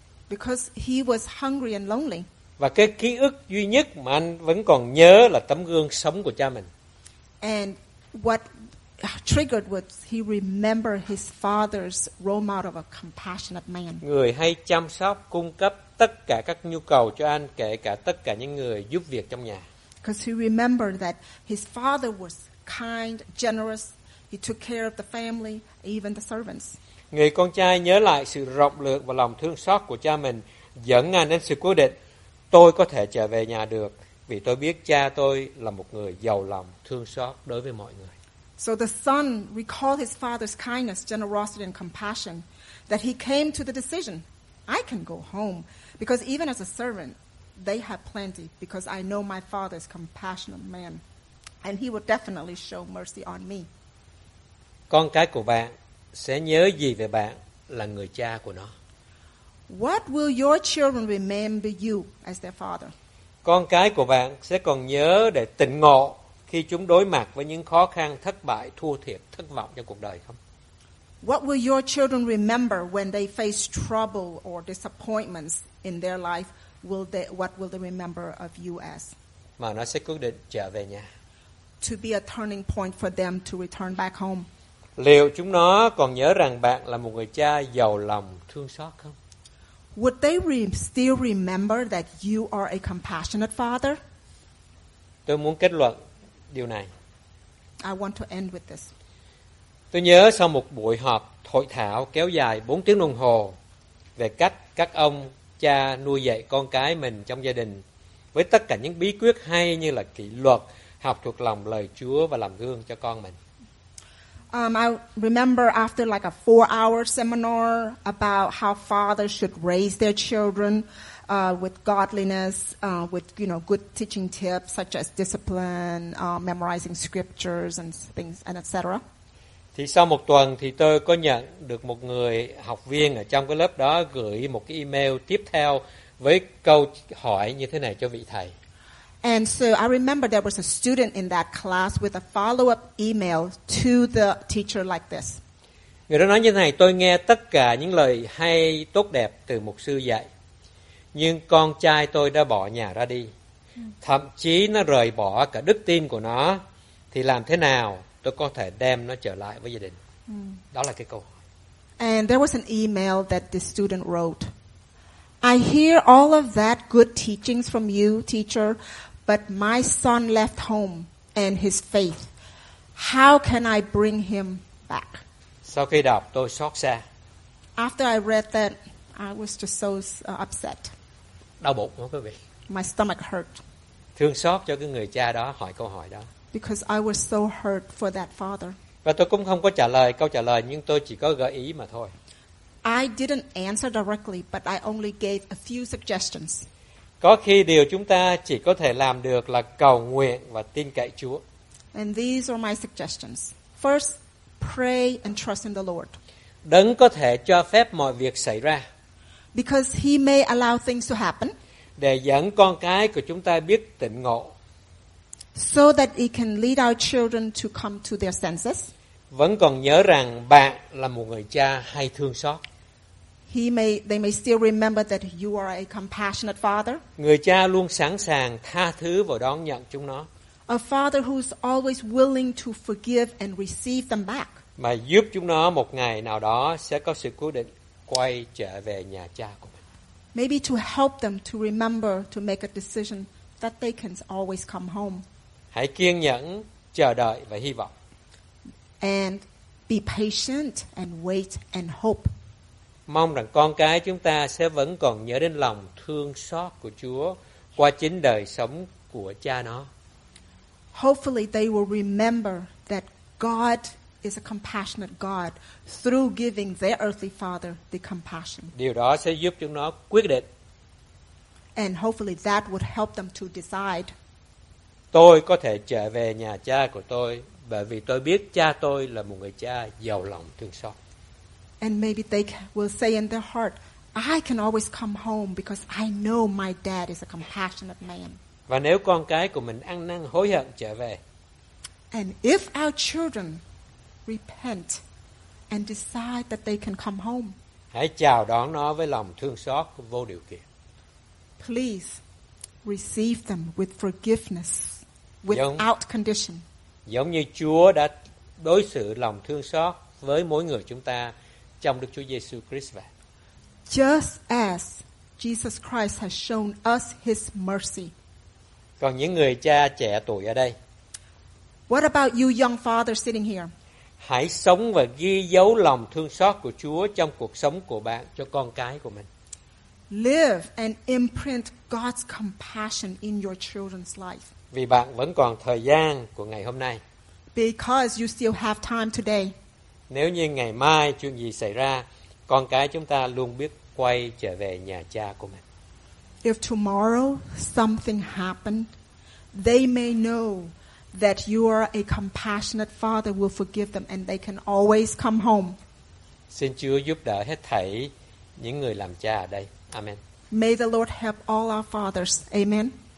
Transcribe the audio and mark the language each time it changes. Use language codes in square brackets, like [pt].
[en] Because he was hungry and lonely. [vi] Và cái ký ức duy nhất mà anh vẫn còn nhớ là tấm gương sống của cha mình. [en] And what triggered was he remembered his father's role model of a compassionate man. [vi] Người hay chăm sóc, cung cấp tất cả các nhu cầu cho anh, kể cả tất cả những người giúp việc trong nhà. [en] Because he remembered that his father was kind, generous. He took care of the family, even the servants. [vi] Người con trai nhớ lại sự rộng lượng và lòng thương xót của cha mình dẫn anh đến sự quyết định tôi có thể trở về nhà được vì tôi biết cha tôi là một người giàu lòng thương xót đối với mọi người. [en] So the son recalled his father's kindness, generosity and compassion that he came to the decision I can go home because even as a servant they have plenty because I know my father is compassionate man and he will definitely show mercy on me. [vi] con cái của bạn sẽ nhớ gì về bạn là người cha của nó? [en] What will your children remember you as their father? [vi] Con cái của bạn sẽ còn nhớ để tỉnh ngộ khi chúng đối mặt với những khó khăn, thất bại, thua thiệt, thất vọng trong cuộc đời không? [en] What will your children remember when they face trouble or disappointments in their life? What will they remember of you as? [vi] Mà nó sẽ quyết định trở về nhà. [en] To be a turning point for them to return back home. [vi] Liệu chúng nó còn nhớ rằng bạn là một người cha giàu lòng thương xót không? [en] Would they still remember that you are a compassionate father? [vi] Tôi muốn kết luận điều này. [en] I want to end with this. [vi] Tôi nhớ sau một buổi họp hội thảo kéo dài 4 tiếng đồng hồ về cách các ông cha nuôi dạy con cái mình trong gia đình với tất cả những bí quyết hay như là kỷ luật, học thuộc lòng lời Chúa và làm gương cho con mình. [en] I remember after like a 4-hour seminar about how fathers should raise their children with godliness, with, you know, good teaching tips such as discipline, memorizing scriptures and things and etc. [vi] Thì sau một tuần thì tôi có nhận được một người học viên ở trong cái lớp đó gửi một cái email tiếp theo với câu hỏi như thế này cho vị thầy. [en] And so I remember there was a student in that class with a follow-up email to the teacher like this. [vi] Người đó nói như thế này, tôi nghe tất cả những lời hay tốt đẹp từ mục sư dạy. Nhưng con trai tôi đã bỏ nhà ra đi. Thậm chí nó rời bỏ cả đức tin của nó. Thì làm thế nào tôi có thể đem nó trở lại với gia đình? Đó là cái câu hỏi. [en] And there was an email that the student wrote. I hear all of that good teachings from you, teacher, but my son left home and his faith. How can I bring him back? [vi] Sau khi đọc, tôi xót xa. [en] After I read that, I was just so upset. [vi] Đau bụng đó, quý vị. [en] My stomach hurt. [vi] Thương xót cho cái người cha đó hỏi câu hỏi đó. [en] Because I was so hurt for that father. [vi] Và tôi cũng không có trả lời câu trả lời, nhưng tôi chỉ có gợi ý mà thôi. [en] I didn't answer directly, but I only gave a few suggestions. [vi] Có khi điều chúng ta chỉ có thể làm được là cầu nguyện và tin cậy Chúa. [en] And these are my suggestions. First, pray and trust in the Lord. [vi] Đấng có thể cho phép mọi việc xảy ra. [en] Because he may allow things to happen. [vi] Để dẫn con cái của chúng ta biết tỉnh ngộ. [en] So that he can lead our children to come to their senses. [vi] Vẫn còn nhớ rằng bạn là một người cha hay thương xót. [en] They may still remember that you are a compassionate father. [vi] Người cha luôn sẵn sàng tha thứ và đón nhận chúng nó. [en] A father who's always willing to forgive and receive them back. [vi] Mà giúp chúng nó một ngày nào đó sẽ có sự quyết định quay trở về nhà cha của mình. [en] Maybe to help them to remember to make a decision that they can always come home. [vi] Hãy kiên nhẫn chờ đợi và hy vọng. [en] And be patient and wait and hope. [vi] Mong rằng con cái chúng ta sẽ vẫn còn nhớ đến lòng thương xót của Chúa qua chính đời sống của cha nó. [en] Hopefully they will remember that God is a compassionate God through giving their earthly father the compassion. [vi] Điều đó sẽ giúp chúng nó quyết định. [en] And hopefully that would help them to decide. [vi] Tôi có thể trở về nhà cha của tôi. Bởi vì tôi biết cha tôi là một người cha giàu lòng thương xót. [en] And maybe they will say in their heart, I can always come home because I know my dad is a compassionate man. [vi] Và nếu con cái của mình ăn năn hối hận trở về. [en] And if our children repent and decide that they can come home. [vi] Hãy chào đón nó với lòng thương xót vô điều kiện. [en] Please receive them with forgiveness without condition. [vi] Giống như Chúa đã đối xử lòng thương xót với mỗi người chúng ta trong Đức Chúa Giêsu Christ vậy. [en] Just as Jesus Christ has shown us his mercy. [vi] Còn những người cha trẻ tuổi ở đây. [en] What about you young father sitting here? [vi] Hãy sống và ghi dấu lòng thương xót của Chúa trong cuộc sống của bạn cho con cái của mình. [en] Live and imprint God's compassion in your children's life. [vi] Vì bạn vẫn còn thời gian của ngày hôm nay. [en] Because you still have time today. [vi] Nếu như ngày mai chuyện gì xảy ra, con cái chúng ta luôn biết quay trở về nhà cha của mình. [en] If tomorrow something happened, they may know that you are a compassionate father will forgive them and they can always come home. [vi] Xin Chúa giúp đỡ hết thảy những người làm cha ở đây. [en] Amen. May the Lord help all our fathers. Amen.